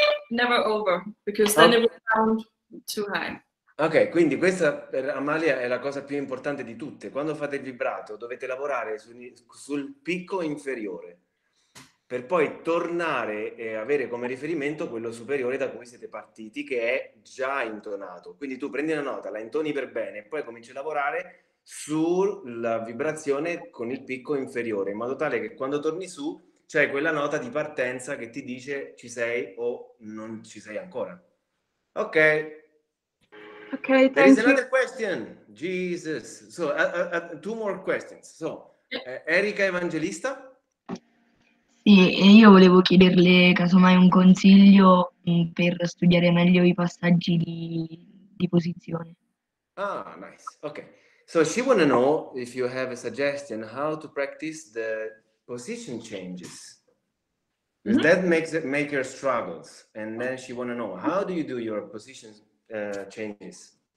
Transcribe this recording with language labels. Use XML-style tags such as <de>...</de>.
<en>Never over, because then it will sound too high.</en> <it>Ok, quindi questa per Amalia è la cosa più importante di tutte. Quando fate il vibrato dovete lavorare sul picco inferiore per poi tornare e avere come riferimento quello superiore da cui siete partiti, che è già intonato. Quindi tu prendi una nota, la intoni per bene, e poi cominci a lavorare sulla vibrazione con il picco inferiore, in modo tale che quando torni su c'è quella nota di partenza che ti dice ci sei o non ci sei ancora. Ok.</it> <en>Ok, thank you. There is another question. Jesus. So, two more questions. So, Erika Evangelista.</en> <it>Sì, e io volevo chiederle casomai un consiglio per studiare meglio i passaggi di posizione.</it> <en>Ah, nice. Okay. So she want to know if you have a suggestion how to practice the position changes. Mm-hmm. That makes her struggles. And then she want to know how do you do your position changes?</en>